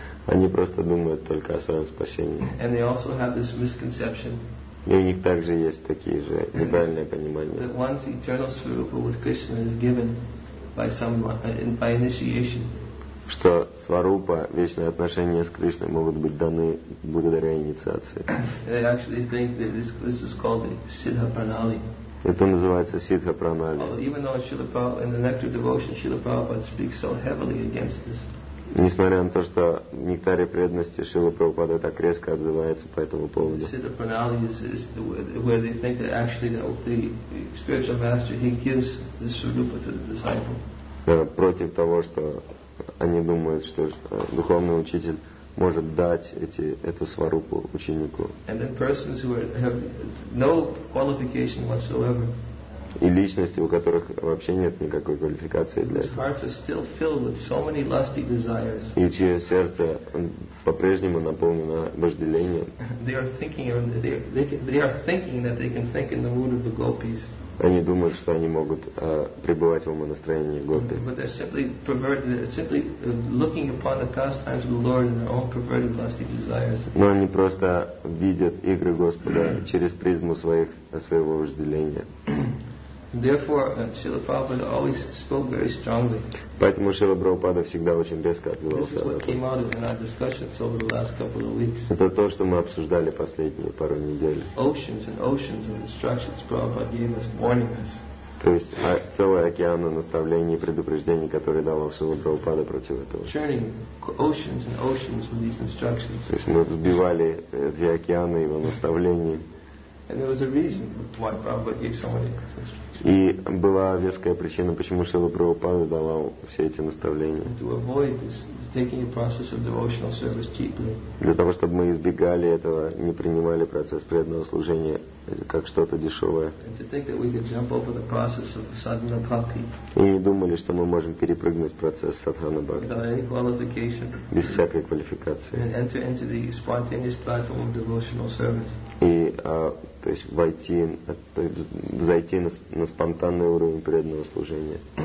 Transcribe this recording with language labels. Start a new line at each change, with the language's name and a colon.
Russian: Они просто думают только о своем спасении.
English: And they also have this misconception.
Russian: И у них также есть такие же неправильные понимания.
English: That once eternal svarupa with Krishna is given by some by initiation.
Russian: Что сварупа, вечные отношения с Кришной могут быть даны благодаря инициации.
English: They actually think that this is called the siddha pranali.
Russian: Это называется сиддха пранали.
English: Even though Srila Prabhupada, in the Nectar Devotion, Srila Prabhupada speaks so heavily against this.
Russian: Несмотря на то, что в нектаре преданности Шрила Прабхупада так резко отзывается по этому поводу.
English: Siddha pranali is where they think that actually the spiritual master, he gives the svarupa to the disciple.
Russian: Против того, что они думают, что духовный учитель может дать эту сварупу ученику.
English: And then persons who have no qualification whatsoever.
Russian: И личности, у которых вообще нет никакой квалификации для этого.
English: Hearts are still filled with so many lusty desires.
Russian: И чье сердце по-прежнему наполнено вожделением.
English: They are thinking that they can think in the mood of the gopis.
Russian: Они думают, что они могут пребывать в умонастроении гопи.
English: But they're simply perverted. They're simply looking upon the pastimes of the Lord in their own perverted lusty desires.
Russian: Но они просто видят игры Господа через призму своего вожделения.
English: Therefore, Srila Prabhupada always spoke very strongly.
Russian: Поэтому Шрила Прабхупада всегда очень резко отзывался.
English: This is what came out in our discussions over the last couple of weeks.
Russian: Это то, что мы обсуждали последние пару недель.
English: Oceans and oceans of instructions Prabhupada gave us, warning us.
Russian: То есть целый океан наставлений и предупреждений, которые дал Шрила Прабхупада против этого.
English: Churning oceans and oceans of these instructions.
Russian: То есть мы взбивали эти океаны его наставлений.
English: And there was a reason why Prabhupada gave so many instructions.
Russian: И была веская причина, почему Шрила Прабхупада давал все эти наставления.
English: To avoid this, taking the process of devotional service cheaply.
Russian: Для того, чтобы мы избегали этого, не принимали процесс преданного служения как что-то дешевое.
English: And to think that we could jump over the process of sadhana bhakti.
Russian: И не думали, что мы можем перепрыгнуть процесс садхана бхакти.
English: Without any qualification.
Russian: Без всякой квалификации.
English: And enter into the spontaneous platform of devotional service.
Russian: И, то есть, войти, то есть, зайти на спонтанный уровень преданного служения.